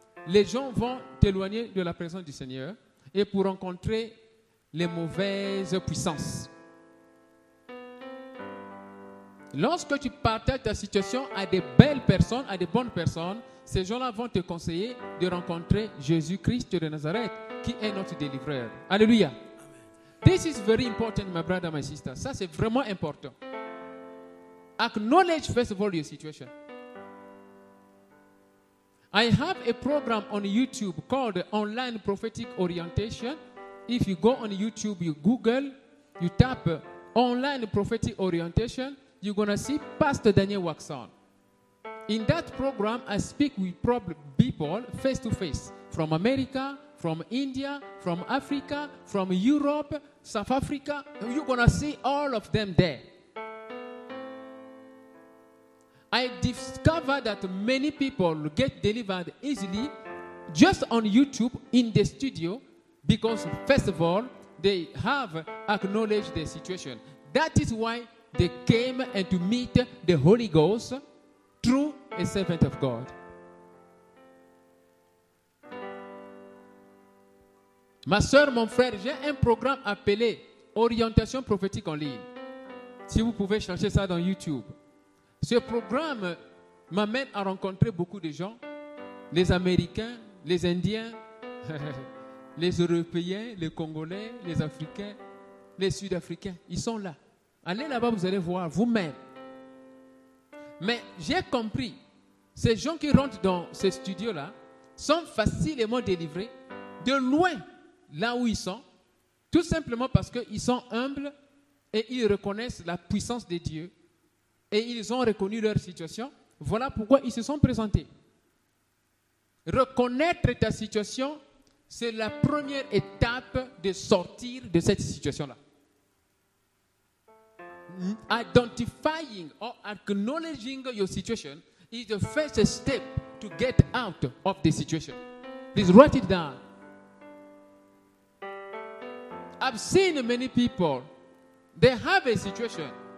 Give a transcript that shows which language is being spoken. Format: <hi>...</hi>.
<fr>Les gens vont t'éloigner de la présence du Seigneur et pour rencontrer les mauvaises puissances. Lorsque tu partages ta situation à des belles personnes, à des bonnes personnes, ces gens-là vont te conseiller de rencontrer Jésus-Christ de Nazareth, qui est notre délivreur. Alléluia!</fr> <en>This is very important, my brother, my sister.</en> <fr>Ça, c'est vraiment important.</fr> <en>Acknowledge, first of all, your situation. I have a program on YouTube called Online Prophetic Orientation. If you go on YouTube, you Google, you tap Online Prophetic Orientation, you're going to see Pastor Daniel Waxon. In that program, I speak with people face to face from America, from India, from Africa, from Europe, South Africa. You're going to see all of them there. I discovered that many people get delivered easily just on YouTube in the studio because, first of all, they have acknowledged the situation. That is why they came and to meet the Holy Ghost through a servant of God.</en> <fr>Ma soeur, mon frère, j'ai un programme appelé Orientation prophétique en ligne. Si vous pouvez chercher ça dans YouTube. Ce programme m'amène à rencontrer beaucoup de gens, les Américains, les Indiens, Les Européens, les Congolais, les Africains, les Sud-Africains, ils sont là. Allez là-bas, vous allez voir vous-même. Mais j'ai compris, ces gens qui rentrent dans ces studios-là sont facilement délivrés de loin, là où ils sont, tout simplement parce qu'ils sont humbles et ils reconnaissent la puissance de Dieu et ils ont reconnu leur situation. Voilà pourquoi ils se sont présentés. Reconnaître ta situation, c'est la première étape de sortir de cette situation-là.</fr> <en>Identifying or acknowledging your situation is the first step to get out of the situation. Please write it down. I've seen many people, they have a situation.</en>